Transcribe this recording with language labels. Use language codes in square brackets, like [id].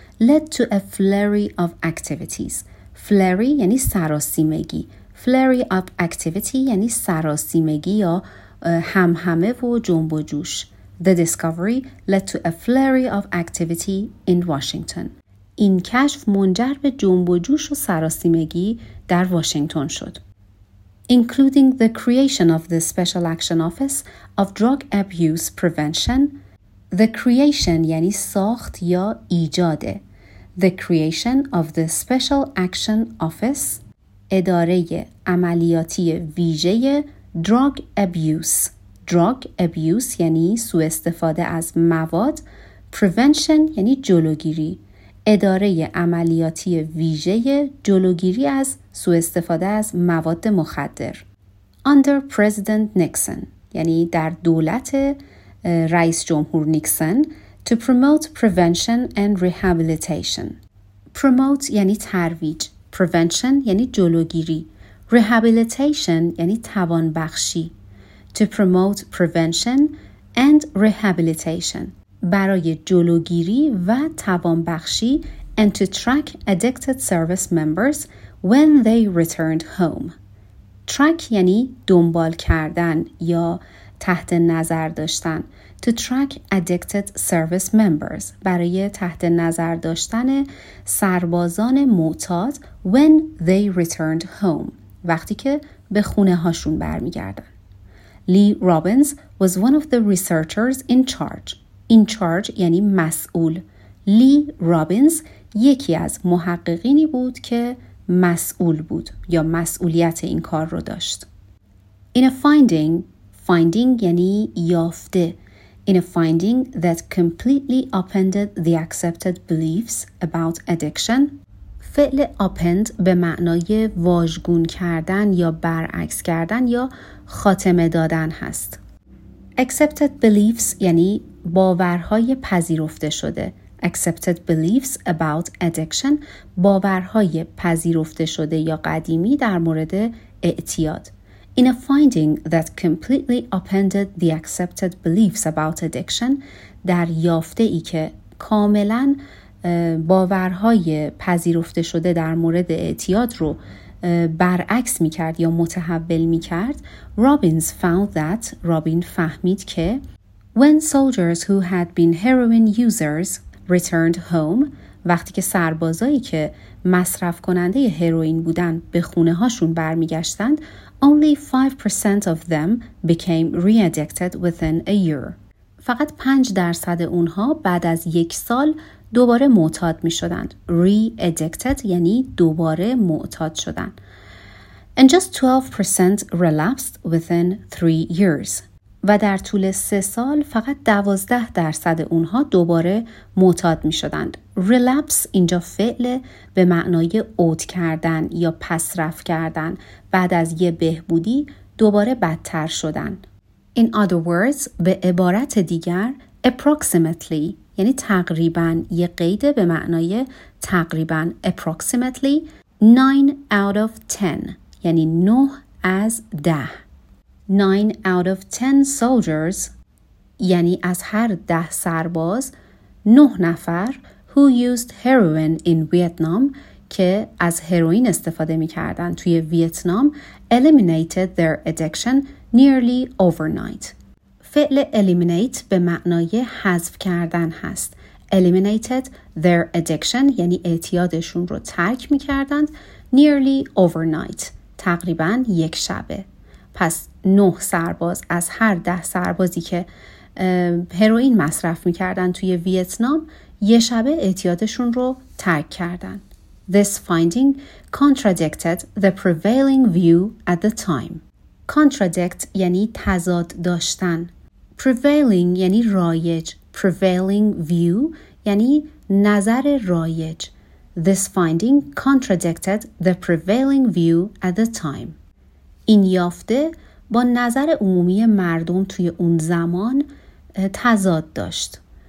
[en] Led to a flurry of activities. [fa] Flurry یعنی سراسیمگی. [en] Flurry of activity [fa] یعنی سراسیمگی یا همهمه و جنب و جوش. [en] The discovery led to a flurry of activity in Washington. [fa] این کشف منجر به جنب و جوش و سراسیمگی در واشنگتن شد. [en] Including the creation of the Special Action Office of Drug Abuse Prevention. The creation [fa] یعنی ساخت یا ایجاده. [en] The creation of the Special Action Office [fa] اداره عملیاتی ویژه [en] Drug Abuse. Drug abuse [fa] یعنی سوء استفاده از مواد. Prevention یعنی جلوگیری. اداره عملیاتی ویژه جلوگیری از سوء استفاده از مواد مخدر. [en] Under President Nixon [fa] یعنی در دولت رئیس جمهور نیکسن. [en] To promote prevention and rehabilitation. [fa] Promote یعنی ترویج. Prevention یعنی جلوگیری. Rehabilitation یعنی توانبخشی. [en] To promote prevention and rehabilitation. [fa] برای جلوگیری و توانبخشی. [en] And to track addicted service members when they returned home. [fa] Track یعنی دنبال کردن یا تحت نظر داشتن. [en] To track addicted service members. [fa] برای تحت نظر داشتن سربازان معتاد [en] when they returned home. [fa] وقتی که به خونه هاشون برمی گردن. [en] Lee Robbins was one of the researchers in charge. In charge [fa] یعنی مسئول. Lee Robbins یکی از محققینی بود که مسئول بود یا مسئولیت این کار رو داشت. [en] In a finding [fa] یعنی یافته. [en] In a finding that completely upended the accepted beliefs about addiction. [fa] فعل upend به معنای واژگون کردن یا برعکس کردن یا خاتمه دادن هست. [en] Accepted beliefs [fa] یعنی باورهای پذیرفته شده. [en] Accepted beliefs about addiction [fa] باورهای پذیرفته شده یا قدیمی در مورد اعتیاد. [en] In a finding that completely upended the accepted beliefs about addiction [fa] در یافته ای که کاملاً باورهای پذیرفته شده در مورد اعتیاد رو برعکس می کرد یا متحول می کرد. [en] Robbins found that Robin [fa] فهمید که [en] when soldiers who had been heroin users returned home [fa] وقتی که سربازایی که مصرف کننده هروئین بودن به خونه هاشون برمی گشتند [en] only 5% of them became re-addicted within a year. [fa] فقط 5% اونها بعد از یک سال دوباره معتاد می شدند. Re-addicted یعنی دوباره معتاد شدند. [en] And just 12% relapsed within 3 years. [fa] و در طول 3 سال فقط 12% اونها دوباره معتاد می شدند. Relapse اینجا فعل به معنای عود کردن یا پس رفت کردن. بعد از یه بهبودی دوباره بدتر شدند. [en] In other words [fa] به عبارت دیگر approximately یعنی تقریبا یه قید به معنای تقریبا approximately [en] 9 out of 10 [fa] یعنی 9 از 10. [en] 9 out of 10 soldiers [fa] یعنی از هر 10 سرباز 9 نفر [en] who used heroin in Vietnam [fa] که از هروئین استفاده می‌کردند توی ویتنام [en] eliminated their addiction nearly overnight. [fa] فعل eliminate به معنای حذف کردن هست. [en] Eliminated their addiction [fa] یعنی اعتیادشون رو ترک می‌کردند [en] nearly overnight. [fa] تقریبا یک شبه. پس 9 سرباز از هر 10 سربازی که هروئین مصرف می‌کردند توی ویتنام یه شبه اعتیادشون رو ترک کردند. [en] This finding contradicted the prevailing view at the time. [fa] Contradict یعنی تضاد داشتن. Prevailing یعنی رایج. [en] Prevailing view [fa] یعنی نظر رایج. [en] This finding contradicted the prevailing view at the time. [fa] این یافته با نظر عمومی مردم توی اون زمان تضاد داشت.